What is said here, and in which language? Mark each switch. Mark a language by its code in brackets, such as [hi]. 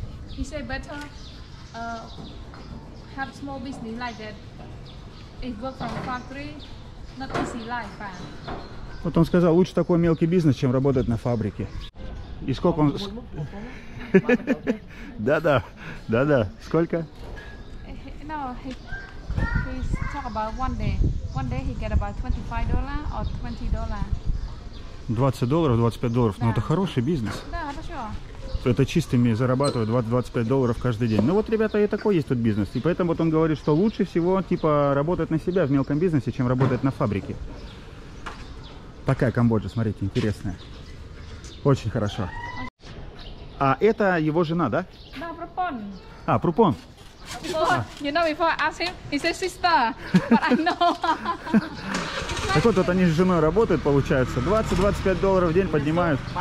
[en] He said better have small business like that. It work from factory, not easy life. [ru] Вот он сказал, лучше такой мелкий бизнес, чем работать на фабрике. И сколько он? Да-да. Сколько? [en] No, he talk about one day. One day he get about $25 or $20. $20, $25. [ru] Да. Ну это хороший бизнес. Да, хорошо. Это чистыми зарабатывают $20-$25 каждый день. Ну вот, ребята, и такой есть тут бизнес. И поэтому вот он говорит, что лучше всего типа работать на себя в мелком бизнесе, чем работать на фабрике. Такая Камбоджа, смотрите, интересная. Очень хорошо. А это его жена, да? Да, Прупон. А, Прупон. [en] Before, you know, before I ask him, he said sister, but I know. [ru] Так вот, вот они с женой работают, получается. $20-$25 в день поднимают.